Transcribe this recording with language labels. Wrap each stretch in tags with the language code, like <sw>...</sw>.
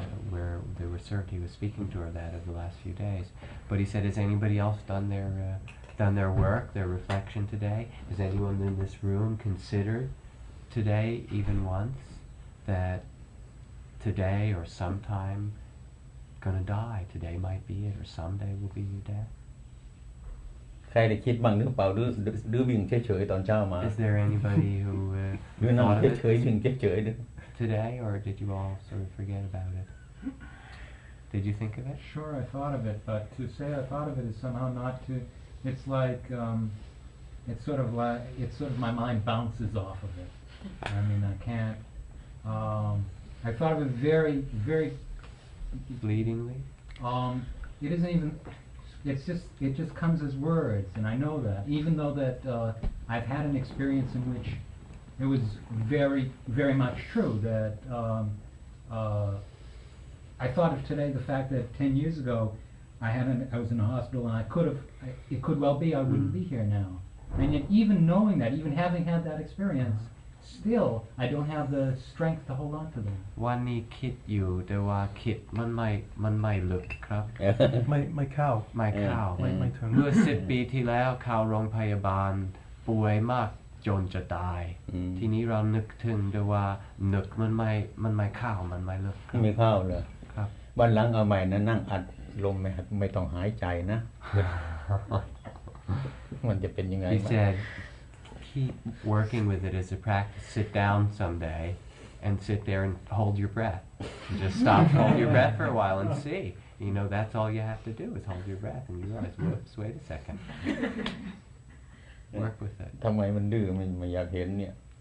<en>Where they were served, he was speaking to her that of the last few days. But he said, "Has anybody else done their work, their reflection today? Has anyone in this room considered today, even once, that today or sometime, gonna die? Today might be it, or someday will be your death."</en> <th>ใครได้คิดบ้างหรือเปล่าหรือวิ่งเฉยๆตอนเช้ามา</th> <en>Is there anybody who thought of it? Today, or did you all sort of forget about it? Did you think of it? Sure, I thought of it, but to say I thought of it is somehow not to. It's like it's sort of my mind bounces off of it. I mean, I can't. I thought of it very, very bleedingly. It isn't even. It just comes as words, and I know that. Even though that I've had an experience in which. It was very, very much true that I thought of today the fact that 10 years ago I was in a hospital and it could well be I wouldn't be here now. And yet even knowing that, even having had that experience, still I don't have the strength to hold on to them.</en> <th>วันนี้คิดอยู่แต่ว่าคิดมันไม่ลึกครับ ไม่เข้าไม่ถึง เมื่อ 10 ปีที่แล้วเข้าโรงพยาบาลป่วยมากจนจะตายทีนี้เรานึกถึงด้วยว่านึกมันไม่ข้าวมันไม่เลิก ไม่ข้าวเลย ครับ วันหลังเอาใหม่นะนั่งอัดลมไม่ต้องหายใจนะ มันจะเป็นยังไง</th> <en>He said keep working with it as a practice sit down someday and sit there and hold your breath just stop hold your breath for a while and see you know that's all you have to do is hold your breath and you realize whoops wait a secondWork with it.</en> <th>ทำไมมันดื้อมันอยากเห็นเนี่ย</th>